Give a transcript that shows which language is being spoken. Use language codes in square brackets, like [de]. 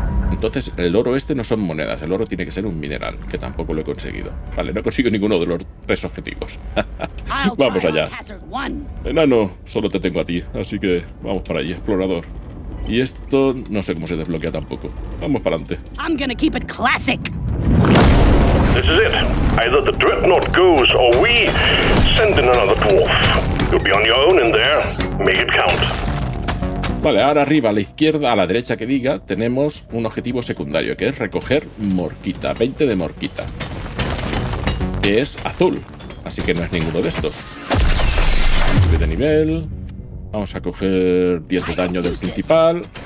[es] Entonces, el oro este no son monedas, el oro tiene que ser un mineral, que tampoco lo he conseguido. Vale, no consigo ninguno de los tres objetivos. Vamos allá. Enano, solo te tengo a ti, así que vamos para allí, explorador. Y esto no sé cómo se desbloquea tampoco. Vamos para adelante. [en] I'm gonna keep it classic. This is it. Either the dreadnought goes or we send in another dwarf. You'll be on your own in there. Make it count. [es] Vale, ahora arriba, a la izquierda, a la derecha que diga, tenemos un objetivo secundario, que es recoger morquita, 20 de morquita. Que es azul, así que no es ninguno de estos. Sube de nivel. Vamos a coger 10 de daño del principal.